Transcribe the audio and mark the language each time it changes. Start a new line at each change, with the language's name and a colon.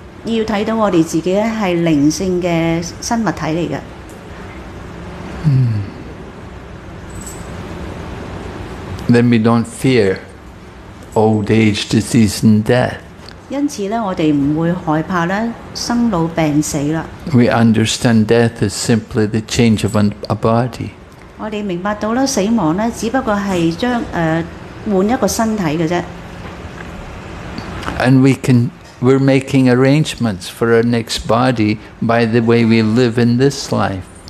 Cantonese: 要睇到我哋自己咧系灵性嘅生物体嚟嘅。
English: Then we don't fear old age, disease, and death.
Cantonese: 因此咧，我哋唔会害怕咧生老病死啦。
English: We understand death is simply the change of a body.
Cantonese: 我哋明白到咧，死亡咧只不过系将换一个身体嘅啫。
English: And we're making arrangements for our next body by the way we live in this life.